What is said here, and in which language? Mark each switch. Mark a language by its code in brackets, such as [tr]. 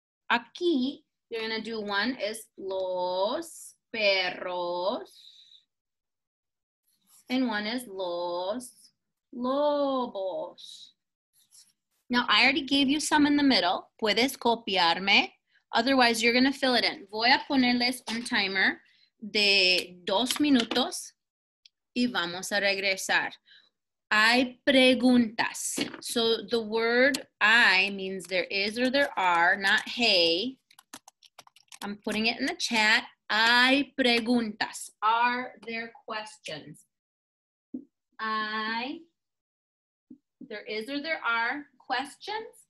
[en] Aquí, you're going to do one is los perros. And one is los lobos. Now, I already gave you some in the middle. [es] Puedes copiarme. [en] Otherwise, you're going to fill it in. [es] Voy a ponerles un timer de 2 minutos y vamos a regresar. Hay preguntas. [en] So, the word I means there is or there are, not hey. I'm putting it in the chat. [es] Hay preguntas. [en] Are there questions? There is or there are questions?